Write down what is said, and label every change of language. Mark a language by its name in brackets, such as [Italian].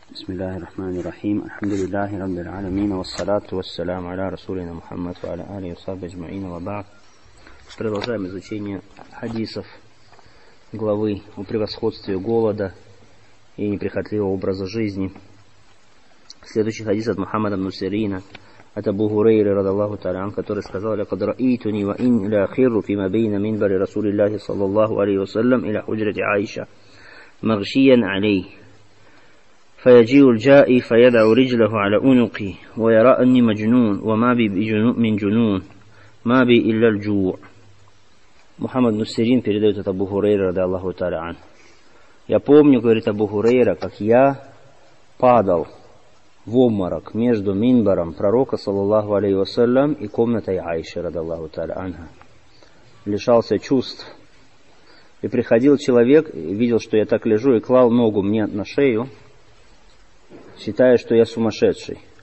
[Arabic] بسم الله الرحمن الرحيم الحمد لله رب العالمين والصلاة والسلام على رسولنا محمد وعلى آله وصحبه أجمعين وبعد. [Russian] Продолжаем изучение хадисов главы о превосходстве голода и неприхотливого образа жизни. Следующий хадис от Мухаммада ибн Сирина от Абу Хурейры [Arabic] رضي الله تعالى عنه, [Russian] который сказал: [Arabic] لقد رأيتني وإن لا خير فيما بين منبر رسول الله صلى الله عليه وسلم إلى حجرة عائشة مغشيا عليه فيجيء الجائي فيدع رجله على أنقي ويرى أني مجنون وما بي من جنون ما بي إلا الجوع. [Russian] محمد بن سيرين передает от Абу Хурейры [Arabic] رضي الله تعالى عنه. [Russian] Я помню, говорит Абу Хурейра, как я падал в обморок между минбаром пророка, саллаллаху алейхи вассалям, и комнатой Аиши, радиаллаху тааля анха. Лишался чувств. И приходил человек, видел, что я так лежу, и клал ногу мне на шею, считая, что я сумасшедший.